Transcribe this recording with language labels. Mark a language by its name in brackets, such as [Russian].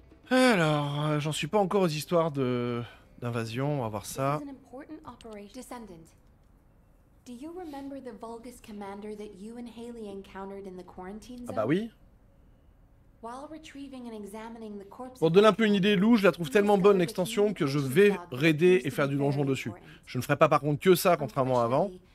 [French] Alors, j'en suis pas encore aux histoires d'invasion, on va voir ça. [English] This is an important operation. Descendant. Do you remember the Vulgus commander that you and Haley encountered in the quarantine zone? [French] Ah bah oui. [English] While retrieving and examining the corpse, [French] pour donner un peu une idée, Lou, je la trouve tellement bonne l'extension que je vais raider et faire du donjon dessus. Je ne ferai pas par contre que ça, contrairement à avant.